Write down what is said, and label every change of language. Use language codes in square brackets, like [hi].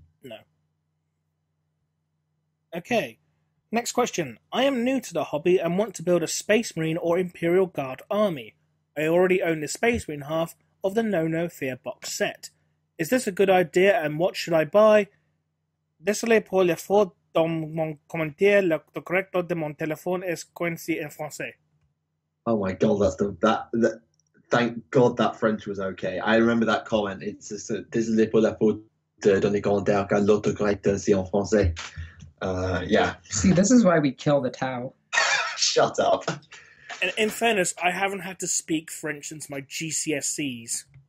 [en] No. Okay. Next question. I am new to the hobby and want to build a Space Marine or Imperial Guard army. I already own the Space Marine half of the No No Fear box set. Is this a good idea and what should I buy? [fr] Désolé pour le faux dans mon commentaire, le correct de mon téléphone est coincé en français. [en] Oh my god, thank god that French was okay. I remember that comment. It's just [fr] désolé pour le faux dans le commentaire, car le correct est en français. [en] See, this is why we kill the Tau. Shut up. And in fairness, I haven't had to speak French since my GCSEs.